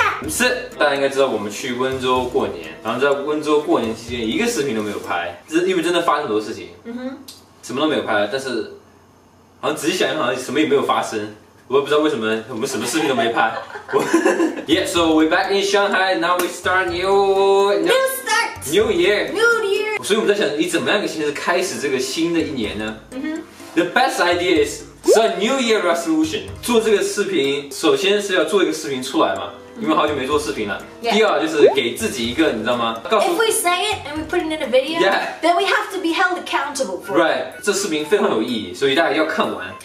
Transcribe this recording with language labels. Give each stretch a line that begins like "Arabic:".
Chinese: 是，大家应该知道我们去温州过年，然后在温州过年期间一个视频都没有拍，这因为真的发生很多事情，什么都没有拍，但是好像仔细想一想，好像什么也没有发生。我也不知道为什么我们什么视频都没拍。
English: Yeah, so we're back in Shanghai. Now we start new year.
Chinese: 所以我们在想，以怎么样一个形式开始这个新的一年呢？
English: The best idea is set New Year resolution.
Chinese: 做这个视频，首先是要做一个视频出来嘛，因为好久没做视频了。
English: Yeah.
Chinese: 第二就是给自己一个，你知道吗？告诉。
English: If we say it and we put it in a video, then we have to be held accountable for it. Right.
Chinese: 这视频非常有意义，所以大家要看完。